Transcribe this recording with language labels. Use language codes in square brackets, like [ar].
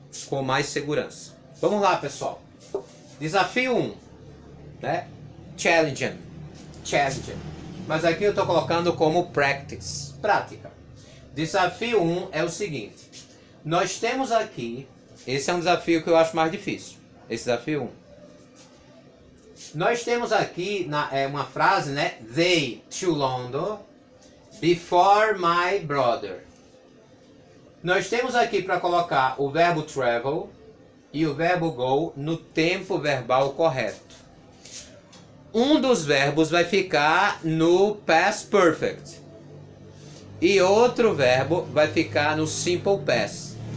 [pt] Com mais segurança. Vamos lá, pessoal. Desafio 1, né? Challenge. Mas aqui eu estou colocando como practice, prática. Desafio 1 é o seguinte: nós temos aqui, esse é um desafio que eu acho mais difícil, esse desafio 1. Nós temos aqui uma frase, né? [en] They to London before my brother. [pt] Nós temos aqui para colocar o verbo travel e o verbo go no tempo verbal correto. Um dos verbos vai ficar no past perfect. E outro verbo vai ficar no simple past.